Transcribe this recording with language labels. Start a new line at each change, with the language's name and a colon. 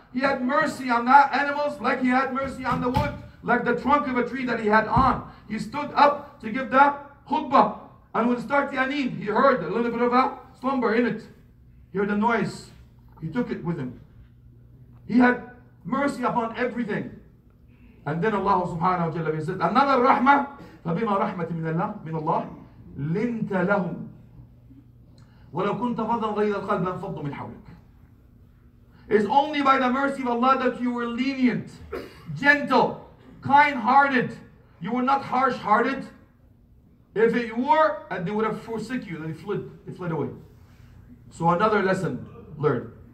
English: He had mercy on that animals like he had mercy on the wood, like the trunk of a tree that he had on. He stood up to give the khutbah. And when start the aneen, he heard a little bit of a slumber in it. He heard a noise. He took it with him. He had mercy upon everything. And then Allah subhanahu wa ta'ala said, another rahmah,
Arabic: فَبِمَا رَحْمَةٍ مِنَ اللَّهِ لِنْتَ لَهُمْ وَلَوْ كُنْتَ فَضًا غَيْضَ الْقَلْبَ لَنْفَضُّ مِنْ حَوْلِكَ.
English: It's only by the mercy of Allah that you were lenient, gentle, kind-hearted. You were not harsh-hearted. If it were, and they would have forsook you, then they fled away. So another lesson learned.